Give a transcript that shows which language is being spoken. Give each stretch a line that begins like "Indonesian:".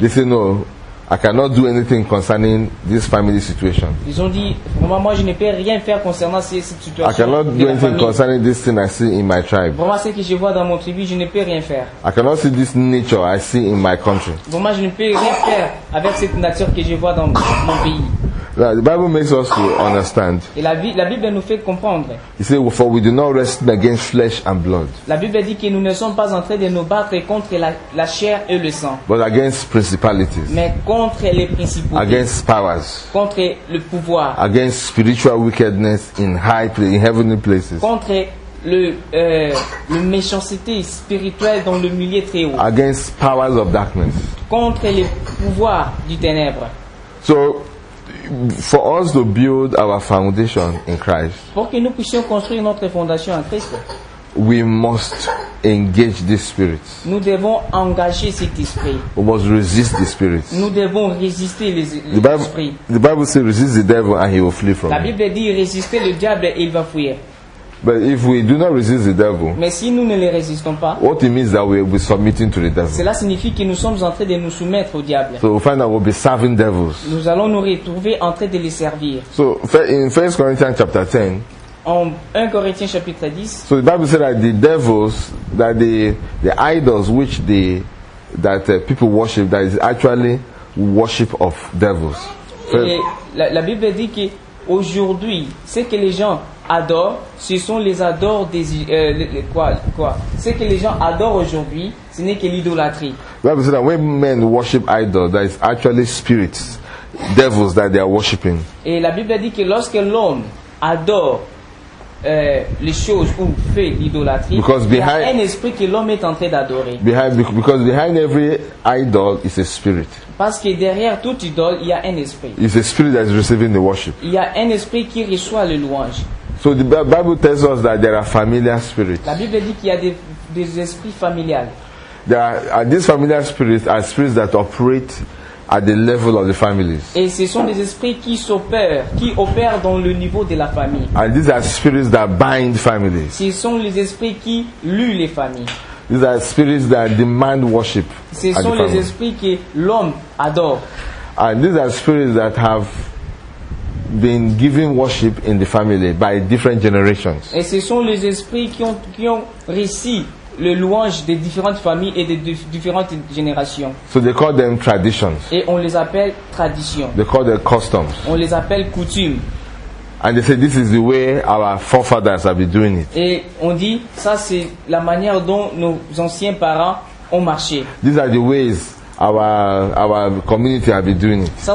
English: They say no, I cannot do anything concerning this family situation.
French: Ils ont dit, vraiment, moi, je ne peux rien faire concernant cette situation.
English: I cannot do anything concerning this thing I see in my tribe.
French: Vraiment, ce que je vois dans mon tribu, je ne peux rien faire.
English: I cannot see this nature I see in my country.
French: Vraiment, je ne peux rien faire avec cette nature que je vois dans mon pays.
English: Now, the Bible makes us to understand.
French: Et la Bible nous fait comprendre.
English: He said, "For we do not wrestle against flesh and blood."
French: La Bible dit que nous ne sommes pas en train de nous battre contre la chair et le sang.
English: But against principalities.
French: Mais contre les principautés.
English: Against powers.
French: Contre le pouvoir.
English: Against spiritual wickedness in high places, in heavenly places.
French: Contre le méchanceté spirituelle dans le milieu très haut.
English: Against powers of darkness.
French: Contre les pouvoirs du ténèbre.
English: So, for us to build our foundation in Christ,
French: pour que nous puissions construire notre fondation en Christ,
English: we must engage this spirit.
French: Nous devons engager cet esprit.
English: We must resist the spirit.
French: Nous devons résister l'esprit.
English: The Bible says, "Resist the devil, and he will flee from you."
French: La Bible dit, "Résister le diable, et il va fuir."
English: But if we do not resist the devil,
French: mais si nous ne les résistons pas,
English: what it means that we're submitting to the devil.
French: Cela signifie que nous sommes en train de nous soumettre au diable.
English: So we find that we'll be serving devils.
French: Nous allons nous retrouver en train de les servir.
English: So in 1 Corinthians chapter 10,
French: en 1 Corinthiens chapitre 10,
English: so the Bible says that the devils, that the idols which that people worship, that is actually worship of devils.
French: La Bible dit que aujourd'hui, c'est que les gens adore, ce sont les adores des quoi. Ce que les gens adorent aujourd'hui, ce n'est que l'idolâtrie.
English: Bible says that when men worship idols, that is actually spirits, devils that they are worshiping.
French: Et la Bible dit que lorsque l'homme adore les choses ou fait l'idolâtrie,
English: behind,
French: il y a un esprit que l'homme est en train d'adorer.
English: Behind, because behind every idol is a spirit.
French: Parce que derrière toute idole, il y a un esprit.
English: It's a spirit that is receiving the worship.
French: Il y a un esprit qui reçoit le louange.
English: So the Bible tells us that there are familiar spirits.
French: La Bible dit qu'il y a des esprits familiales.
English: These familiar spirits are spirits that operate at the level of the families.
French: Et ce sont des esprits qui opèrent dans le niveau de la famille.
English: And these are spirits that bind families.
French: Ce sont les esprits qui lient les familles.
English: These are spirits that demand worship.
French: Ce sont les esprits que l'homme adore.
English: And these are spirits that have been given worship in the family by different generations.
French: Et ce sont les esprits qui ont reçu le louange des différentes familles et des différentes générations.
English: So they call them traditions.
French: Et on les appelle traditions.
English: They call them customs.
French: On les appelle coutumes.
English: And they say this is the way our forefathers have been doing it.
French: Et on dit ça c'est la manière dont nos anciens parents ont marché.
English: These are the ways our community have been doing it.